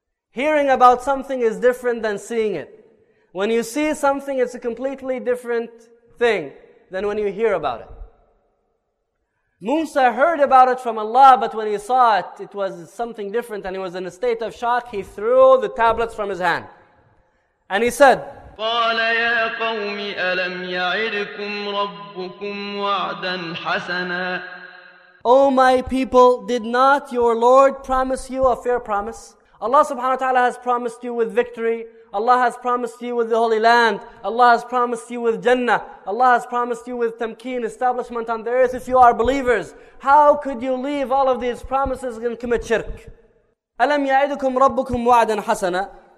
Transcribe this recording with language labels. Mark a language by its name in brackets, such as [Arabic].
[English] Hearing about something is different than seeing it. When you see something, it's a completely different thing than when you hear about it. Musa heard about it from Allah, but when he saw it, it was something different and he was in a state of shock. He threw the tablets from his hand. And he said, [Arabic] قال يا قوم ألم يعدكم ربكم وعدا حسنا. [English] Oh my people, did not your Lord promise you a fair promise? Allah subhanahu wa ta'ala has promised you with victory. Allah has promised you with the Holy Land. Allah has promised you with Jannah. Allah has promised you with tamkeen, establishment on the earth if you are believers. How could you leave all of these promises and commit shirk? [Arabic] ألم يعدكم ربكم وعدا حسنا.